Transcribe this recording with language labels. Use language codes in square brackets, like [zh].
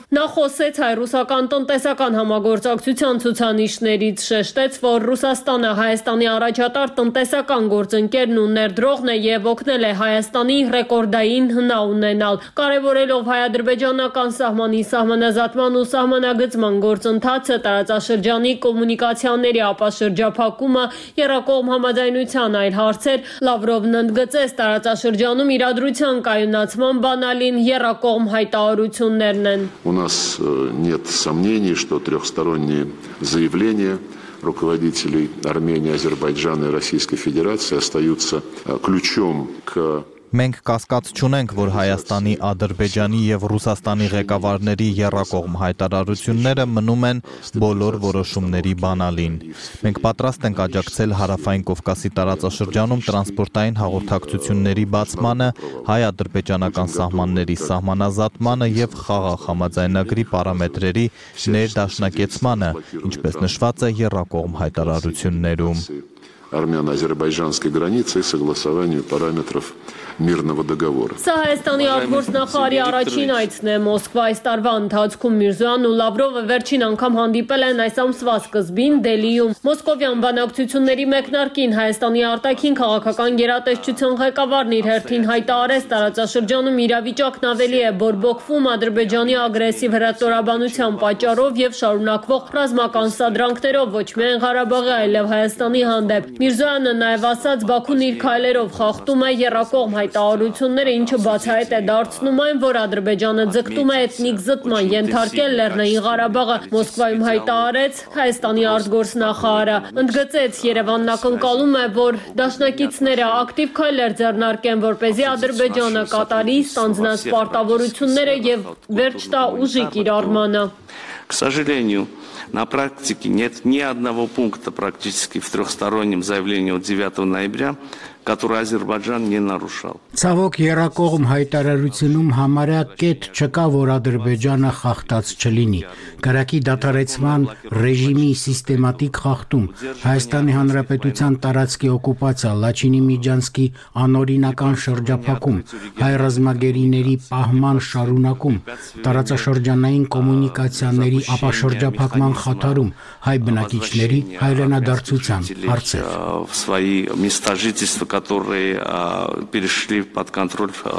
[hy] նա խոսեց հայ-ռուսական տնտեսական համագործակցության ցուցանիշներից, շեշտեց, որ Ռուսաստանը Հայաստանի առաջատար տնտեսական գործընկերն ու ներդրողն է եւ օգնել է Հայաստանի ռեկորդային հնա ունենալ, կարևորելով հայ-ադրբեջանական սահմանի սահմանազատման ու սահմանագծման գործընթացը, տարածաշրջանի կոմունիկացիաների ապաշրջափակումը, երկկողմ համաձայնության այլ հարցեր։ Լավրովն ընդգծեց տարածաշրջանում իրադրության կայունացման բանալին երկկողմ հայտարարություններն են։ [ru] У нас нет сомнений, что трёхсторонние заявления руководителей Армении, Азербайджана и Российской Федерации остаются ключом к [hy] Մենք կասկած չունենք, որ Հայաստանի, Ադրբեջանի եւ Ռուսաստանի ղեկավարների երկկողմ հայտարարությունները մնում են բոլոր որոշումների բանալին։ Մենք պատրաստ ենք աջակցել Հարավային Կովկասի տարածաշրջանում տրանսպորտային հաղորդակցությունների բացմանը, հայ-ադրբեջանական սահմանների սահմանազատմանը եւ խաղաղ համաձայնագրի պարամետրերի ներդաշնակեցմանը, ինչպես նշված է երկկողմ հայտարարություններում։ [ru] Армяно-Азербайджанской границы и согласованию параметров мирного договора. [hy] Սա Հայաստանի արտգործնախարարի առաջին այցն է Մոսկվա այս տարվա ընթացքում։ Միրզոյանն ու Լավրովը վերջին անգամ հանդիպել են այս ամսվա սկզբին Դելիում։ Մոսկովյան բանակցությունների մեկնարկին Հայաստանի արտաքին քաղաքական գերատեսչության ղեկավարն իր հերթին հայտարարեց տարածաշրջանում իրավիճակն ավելի է բորբոքվում Ադրբեջանի ագրեսիվ հրատորաբանության պատճառով եւ շարունակվող ռազմական սադրանքներով ոչ միայն Ղարաբաղի, այլեւ Հայաստանի հանդեպ։ Միրզոյանը նաև ասաց, Բաքուն իր քայլերով խախտում է երրակողմ հայտարարությունները, ինչը բացահայտ է դարձնում այն, որ Ադրբեջանը ձգտում է էթնիկ զտման ենթարկել Լեռնային Ղարաբաղը, Մոսկվայում հայտարարեց Հայաստանի արտգործնախարարը։ Ընդգծեց, Երևանն ակնկալում է, որ դաշնակիցները ակտիվ քայլեր ձեռնարկեն, որպեսզի Ադրբեջանը կատարի ստանձնած պարտավորությունները և վերջտա ուժիկ իր արմանը։ [ru] К сожалению, на практике нет ни одного пункта практически в трехстороннем заявлении от 9 ноября, который Азербайджан не нарушал. [hy] Ցավոք երակողում հայտարարությունում համարյա կետ չկա, որ Ադրբեջանը խախտած չլինի։ Կրակի դատարեցման ռեժիմի սիստեմատիկ խախտում, Հայաստանի Հանրապետության տարածքի օկուպացիա, Լաչինի Միջանցքի անօրինական շրջափակում, հայ ռազմագերիների պահման շարունակում, տարածաշրջանային կոմունիկացիաների ապաշրջափակման խաթարում, հայ բնակիչների հայրենադարձության հարցեր։ [ru] Которые перешли под контроль.